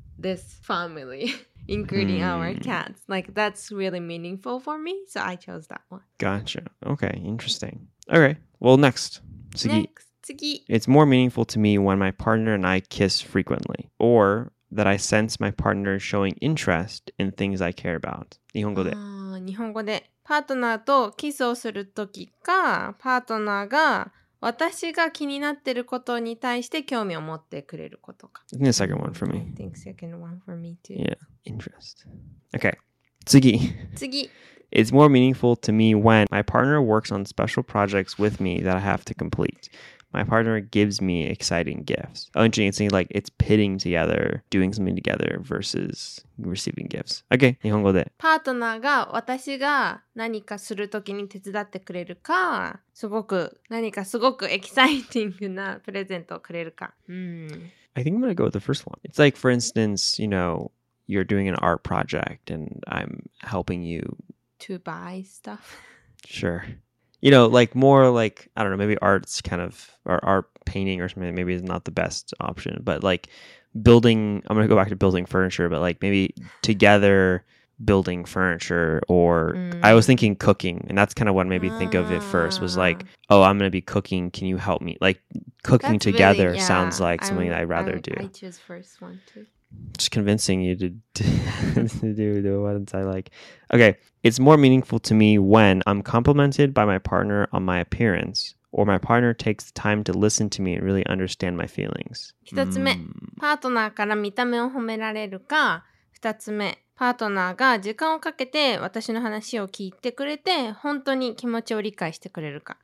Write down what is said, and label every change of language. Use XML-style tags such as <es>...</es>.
<en>this family, including our cats. Like, that's really meaningful for me. So I chose that one. Gotcha. Okay, interesting. Okay, well, next.</en> <ja>次.</ja> <en>Next. 次. It's more meaningful to me when my partner and I kiss frequently. Or that I sense my partner showing interest in things I care about.</en> <ja>日本語で。日本語で。パートナーとキスをするときか、パートナーが私が気になってることに対して興味を持ってくれることか。</ja> <en>I think the second one for me. I think second one for me too. Yeah, interest. Okay, 次。</en> <ja>次。</ja> <en>It's more meaningful to me when my partner works on special projects with me that I have to complete. My partner gives me exciting gifts. Oh, interesting. It's like it's pitting together, doing something together versus receiving gifts. Okay,</en> <ja>日本語で。パートナーが私が何かするときに手伝ってくれるか、すごく何かすごくエキサイティングなプレゼントをくれるか。</ja> <en>I think I'm gonna go with the first one. It's like, for instance, you know, you're doing an art project and I'm helping you to buy stuff. Sure. You know, like more like, I don't know, maybe art's kind of, or art painting or something, maybe is not the best option, but like building, I'm going to go back to building furniture, but like maybe together building furniture or I was thinking cooking, and that's kind of what made me think of it first was like, oh, I'm going to be cooking. Can you help me? Like cooking that's together really, yeah, sounds like something that I'd rather do. I choose first one too. Just convincing you to do the ones I like. Okay, it's more meaningful to me when I'm complimented by my partner on my appearance or my partner takes the time to listen to me and really understand my feelings.</en> <ja>一つ目、パートナーから見た目を褒められるか、二つ目、パートナーが時間をかけて私の話を聞いてくれて本当に気持ちを理解してくれるか。</ja>